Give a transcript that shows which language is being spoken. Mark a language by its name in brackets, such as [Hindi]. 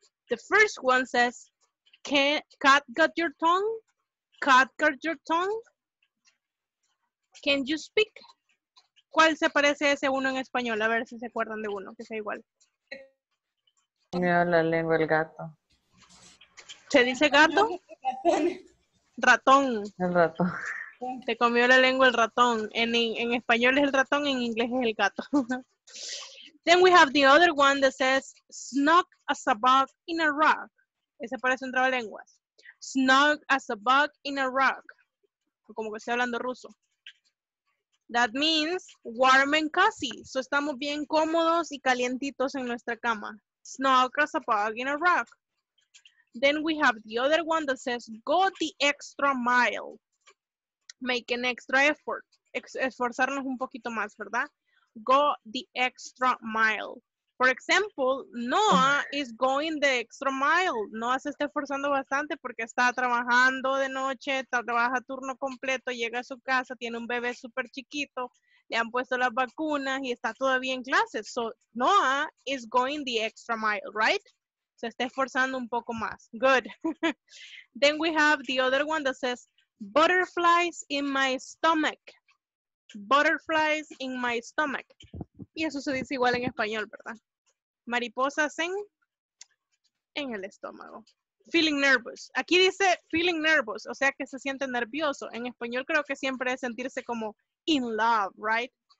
[English] The first one says, cat got your tongue? Cat got your tongue? Can you speak? [Spanish] ¿Cuál se parece a ese uno en español? A ver si se acuerdan de uno, que sea igual. Mira la lengua el gato. ¿Se dice gato? Ratón. El ratón. Te comió la lengua el ratón. En español es el ratón, en inglés es el gato. [English] Then we have the other one that says, snuck as a bug in a rug. [Spanish] Ese parece un trabalenguas. [English] Snug as a bug in a rug. [Spanish] Como que estoy hablando ruso. [English] That means warm and cozy. [Spanish] So estamos bien cómodos y calientitos en nuestra cama. [English] Snug as a bug in a rug. Then we have the other one that says go the extra mile. Make an extra effort. [Spanish] Esforzarnos un poquito más, ¿verdad? [English] go the extra mile. For example, Noah is going the extra mile. [Spanish] Noah se está esforzando bastante porque está trabajando de noche, trabaja turno completo, llega a su casa, tiene un bebé súper chiquito, le han puesto las vacunas y está todavía en clases. [English] So, Noah is going the extra mile, right? [Spanish] Se está esforzando un poco más. [English] Good. Then we have the other one that says, butterflies in my stomach. Butterflies in my stomach. [Spanish] Y eso se dice igual en español, ¿verdad? Mariposas en el estómago. [English] Feeling nervous. [Spanish] Aquí dice [English] feeling nervous, [Spanish] o sea que se siente nervioso. En español creo que siempre es sentirse como in love, right?